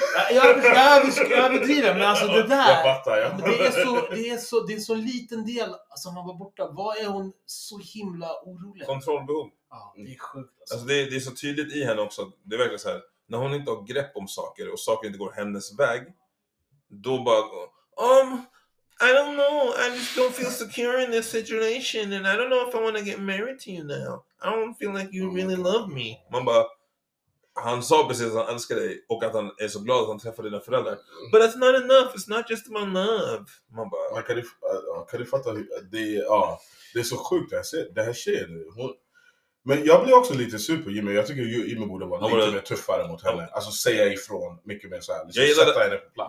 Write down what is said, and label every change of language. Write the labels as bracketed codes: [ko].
[sv] Jag bedriver, men alltså det där. Jag fattar, ja. Det är en så liten del som alltså, man var borta. Vad är hon så himla orolig? Kontrollbehov. Ja, det är sjukt. Alltså det är så tydligt i henne också. Det är verkligen så här, när hon inte har grepp om saker och saker inte går hennes väg. Då bara, [en] I don't know, I just don't feel secure in this situation and I don't know if I want to get married to you now. I don't feel like you really love me. [sv] Man bara, han sa precis att han älskar dig och att han är så glad att han träffar dina föräldrar. [en] But that's not enough, it's not just about love. [sv] Man bara, kan du fatta, det är så sjukt det här sker nu. Men jag blir också lite sur på Jimmy. Jag tycker Jimmy borde vara lite mer tuffare mot henne. Alltså säga ifrån mycket mer såhär. Liksom sätta henne på plats.